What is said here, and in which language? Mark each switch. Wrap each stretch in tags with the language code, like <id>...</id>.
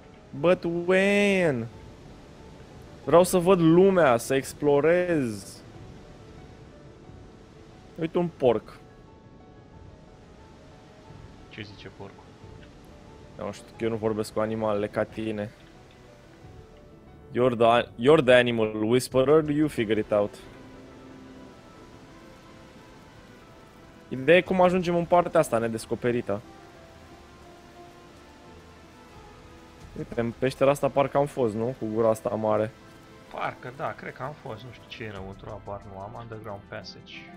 <en>But when?</en> <ro>Vreau să văd lumea, să explorez. Uite un porc. Ce zice porcul? Nu știu, eu nu vorbesc cu animalele ca tine.</ro> <en>You're the animal whisperer, you figure it out.</en> <ro>Ideea e cum ajungem în partea asta nedescoperită. Uite, în peștera asta parcă am fost, nu? Cu gura asta mare. Parcă da, cred că am fost, nu știu ce e înăuntru, abar nu am,</ro> <en>underground passage.</en>